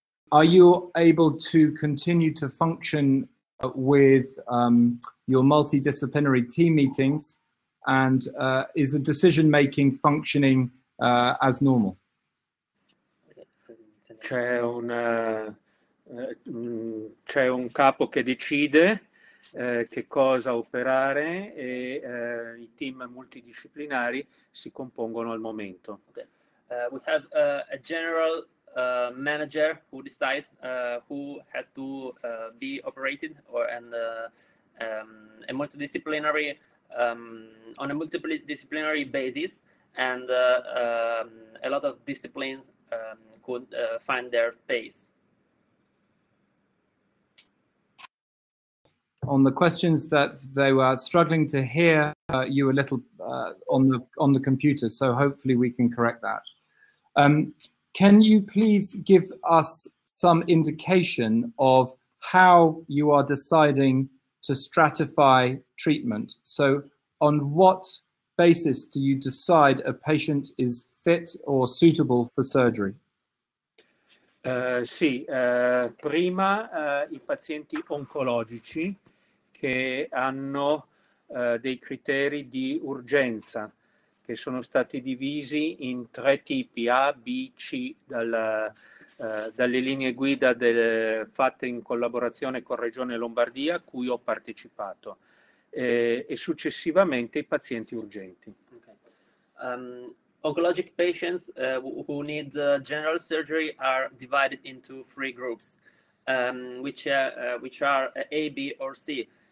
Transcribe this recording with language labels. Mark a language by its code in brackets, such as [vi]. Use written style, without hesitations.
[en] Are you able to continue to function with your multidisciplinary team meetings, and is the decision making functioning as normal? [it] C'è un capo che decide che cosa operare e i team multidisciplinari si compongono al momento. [en] Okay. We have a general manager who decides who has to be operated, or a multidisciplinary on a multidisciplinary basis, and a lot of disciplines could find their pace. On the questions that they were struggling to hear you a little on the computer, so hopefully we can correct that. Can you please give us some indication of how you are deciding to stratify treatment? So on what basis do you decide a patient is fit or suitable for surgery? [it] Sì, prima i pazienti oncologici che hanno dei criteri di urgenza, che sono stati divisi in tre tipi, A, B, C, dalle linee guida fatte in collaborazione con Regione Lombardia, a cui ho partecipato, e successivamente i pazienti urgenti. [en] Okay. Oncologic patients who need general surgery are divided into three groups, which are A, B or C.